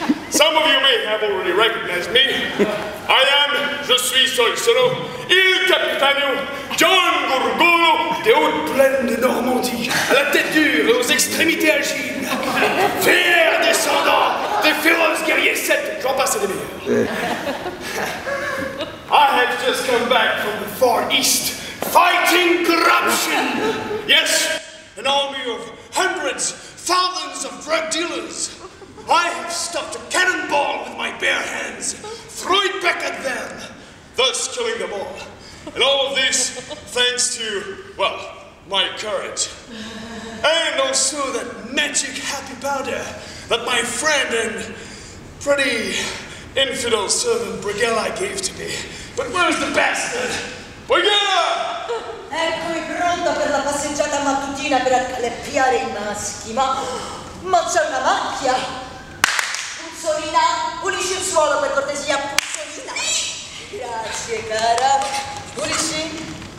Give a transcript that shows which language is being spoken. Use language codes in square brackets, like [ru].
[en] Some of you may have already recognized me. I am, [fr] je suis Solcero, il capitano John Gurgolo, des hautes plaines de Normandie, à la tête dure et aux extrémités agiles. Fier descendant des féroces guerriers celtes, j'en passe des meilleurs. [en] I have just come back from the Far East, fighting corruption. Yes, an army of hundreds, thousands of drug dealers. I have stuffed a cannonball with my bare hands, threw it back at them, thus killing them all. And all of this thanks to, well, my courage. And also that magic happy powder that my friend and pretty infidel servant Brighella gave to me. But where's the bastard? Brighella! [it] Ecco, è pronta per la passeggiata mattutina per accalappiare i maschi, ma c'è una macchia! Puzzolina, pulisci il suolo per cortesia, Puzzolina! Grazie, cara! Pulisci!